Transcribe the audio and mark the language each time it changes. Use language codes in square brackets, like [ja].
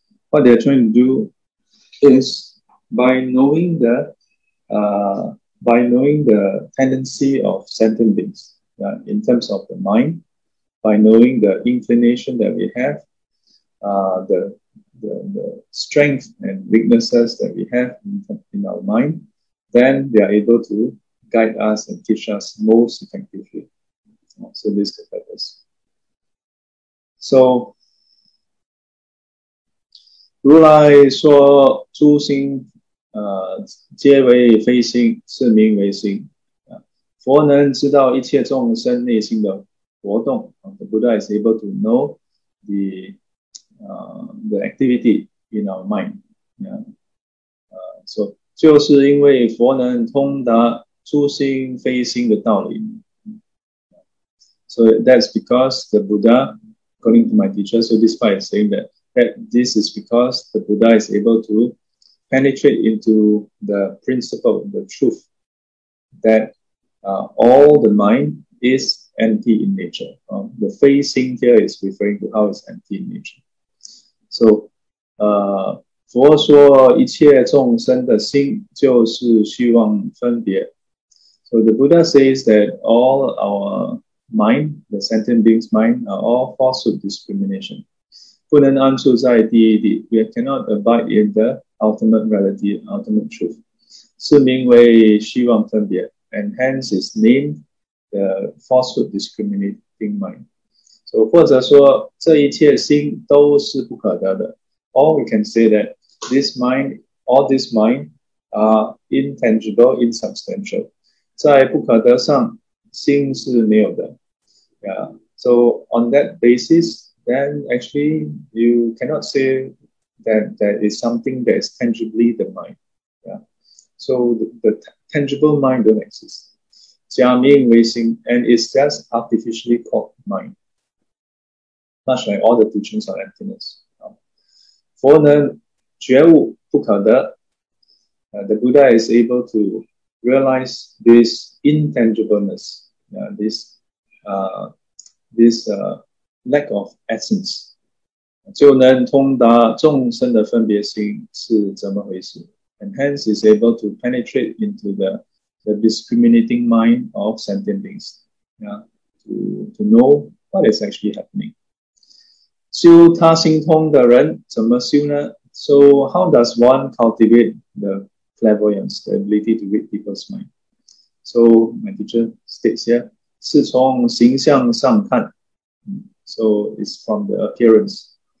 [en] What they are trying to do is by knowing the tendency of sentient beings, yeah, in terms of the mind, by knowing the inclination that we have, the the strength and weaknesses that we have in our mind, then they are able to guide us and teach us most effectively. So this could help us. [zh] So, 如来说诸心皆为非心，是名为心。佛能知道一切众生内心的活动。 [en] The Buddha is able to know the activity in our mind. [zh] So, 就是因为佛能通达诸心非心的道理。 [en] So that's because the Buddha, according to my teacher, so this part is saying that, that this is because the Buddha is able to penetrate into the principle, the truth, that all the mind is empty in nature. The facing here is referring to how it's empty in nature. [zh] So, 佛说一切众生的心就是虚妄分别. [en] So the Buddha says that all our mind, the sentient being's mind, are all falsehood discrimination. [zh] 不能安住在第一地, [en] we cannot abide in the ultimate reality, ultimate truth. [zh] 是名为虚妄分别, [en] and hence is named the falsehood discriminating mind. [zh] So 或者说这一切心都是不可得的. [en] Or we can say that this mind, all this mind, are intangible, insubstantial. [zh] 在不可得上心是没有的. [en] Yeah. So on that basis, then actually you cannot say that there is something that is tangibly the mind. Yeah. So the tangible mind don't exist. [zh] 假名为心, [en] and it's just artificially called mind. Much like all the teachings on emptiness. [zh] 佛能觉悟不可得, [en] the Buddha is able to realize this intangibleness, this lack of essence. [zh] 就能通达众生的分别心是怎么回事? [en] And hence is able to penetrate into the discriminating mind of sentient beings, to know what is actually happening. [zh] 修他心通的人怎么修呢? [en] So how does one cultivate the clairvoyance, the ability to read people's mind? So my teacher states here, [zh] 是从形象上看, [en] so it's from the appearance.